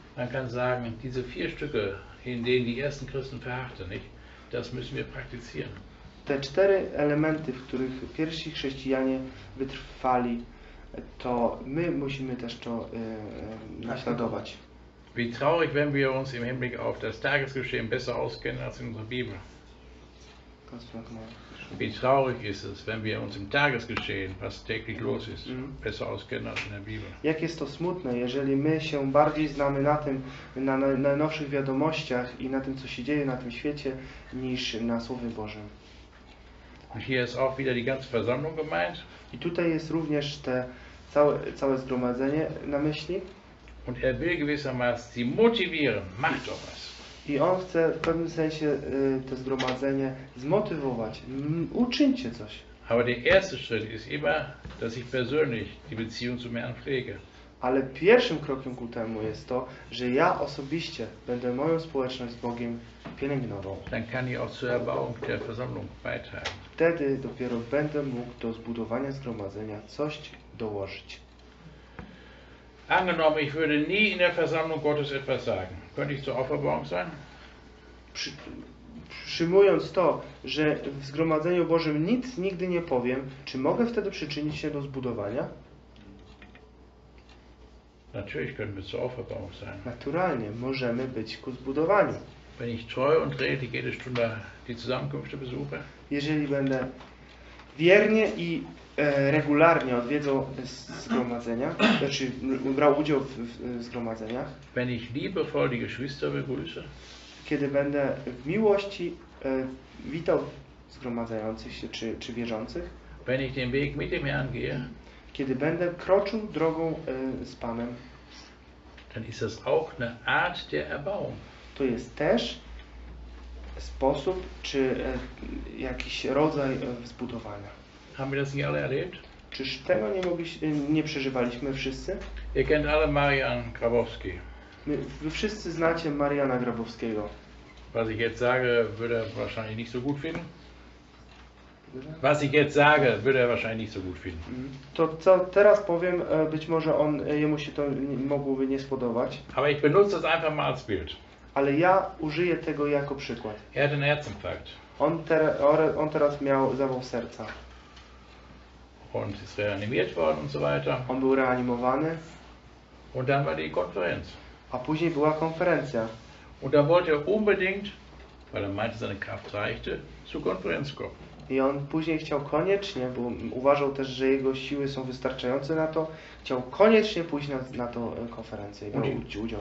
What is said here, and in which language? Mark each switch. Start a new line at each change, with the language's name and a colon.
German: Man kann sagen, diese vier Stücke, in denen die ersten Christen verharrten, nicht? Das müssen wir praktizieren.
Polish: Te cztery elementy, w których pierwsi chrześcijanie wytrwali, to my musimy też to naśladować.
German: Wie traurig, wenn wir uns im Hinblick auf das Tagesgeschehen besser auskennen als in unserer Bibel. Wie traurig ist es, wenn wir uns im Tagesgeschehen, was täglich los ist, besser auskennen als in der Bibel.
Polish: Jak jest to smutne, jeżeli my się bardziej znamy na tym, na najnowszych wiadomościach i na tym, co się dzieje na tym świecie, niż na Słowie Bożym.
German: Und hier ist auch wieder die ganze Versammlung gemeint.
Polish: I tutaj jest również te całe zgromadzenie na myśli.
German: Und er will gewissermaßen sie motivieren, macht doch was.
Polish: I on chce w pewnym sensie to zgromadzenie zmotywować. Uczyńcie coś.
German: Aber der erste Schritt ist immer, dass ich persönlich die Beziehung zu mir anpflege.
Polish: Ale pierwszym krokiem ku temu jest to, że ja osobiście będę moją społeczność z Bogiem pielęgnował.
German: Dann kann ich auch zur Erbauung der Versammlung beitragen.
Polish: Wtedy dopiero będę mógł do zbudowania zgromadzenia coś dołożyć.
German: Angenommen, ich würde nie in der Versammlung Gottes etwas sagen. Könnte ich zur Auferbauung sein?
Polish: Przyjmując to, że w zgromadzeniu Bożym nic nigdy nie powiem, czy mogę wtedy przyczynić się do zbudowania?
German: Natürlich können wir zur Auferbauung sein.
Polish: Naturalnie możemy być ku zbudowaniu.
German: Wenn ich treu und redlich jede Stunde die Zusammenkünfte besuche.
Polish: Jeżeli będę wiernie i regularnie odwiedzał zgromadzenia, znaczy brał udział w zgromadzeniach.
German: Wenn ich liebevoll die Geschwister begrüße.
Polish: Kiedy będę w miłości witał zgromadzających się czy wierzących.
German: Wenn ich den Weg mit dem Herrn gehe.
Polish: Kiedy będę kroczył drogą z Panem.
German: Dann ist das auch eine Art der Erbauung.
Polish: To jest też sposób czy jakiś rodzaj zbudowania.
German: Haben wir das nie alle erlebt?
Polish: Czyż tego nie przeżywaliśmy wszyscy?
German: Ihr kennt alle Marian Grabowski.
Polish: Wy wszyscy znacie Mariana Grabowskiego.
German: Was ich jetzt sage, würde er wahrscheinlich nicht so gut finden. Was ich jetzt sage, würde er wahrscheinlich nicht so gut finden.
Polish: To co teraz powiem, być może on jemu się to mogłoby nie spodobać.
German: Aber ich benutze das einfach mal als Bild.
Polish: Ale ja użyję tego jako przykład.
German: Er hat einen Herzinfarkt.
Polish: On teraz miał zawał serca.
German: Und ist reanimiert worden und so weiter.
Polish: On był reanimowany.
German: Und dann war die Konferenz.
Polish: A później była konferencja.
German: Und da wollte er unbedingt, weil er meinte, seine Kraft reichte, zur Konferenz kommen.
Polish: I on później chciał koniecznie, bo uważał też, że jego siły są wystarczające na to, chciał koniecznie pójść na tą konferencję i brać udział.